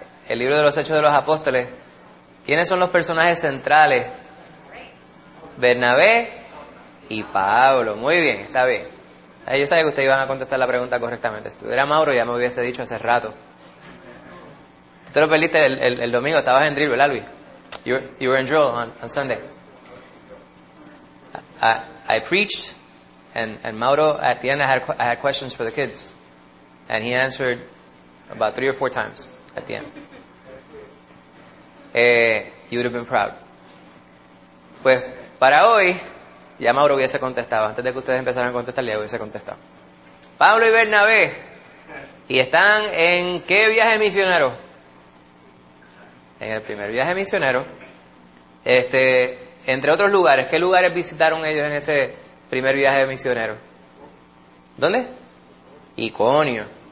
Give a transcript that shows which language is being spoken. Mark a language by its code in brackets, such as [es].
[es] El libro de los Hechos de los Apóstoles. ¿Quiénes son los personajes centrales? Bernabé y Pablo. Muy bien, está bien. Yo sabía que ustedes iban a contestar la pregunta correctamente. Si tuviera Mauro, ya me hubiese dicho hace rato. Tú lo perdiste el domingo, estabas en drill, ¿verdad, Luis? [en] You were in drill on Sunday. I preached, and Mauro, at the end, I had questions for the kids. And he answered about 3 or 4 times at the end. You would have been proud. [es] Pues, para hoy, ya Mauro hubiese contestado. Antes de que ustedes empezaran a contestar, ya hubiese contestado. Pablo y Bernabé, ¿y están en qué viaje misionero? En el primer viaje misionero, entre otros lugares, ¿qué lugares visitaron ellos en ese primer viaje misionero? ¿Dónde? Iconio.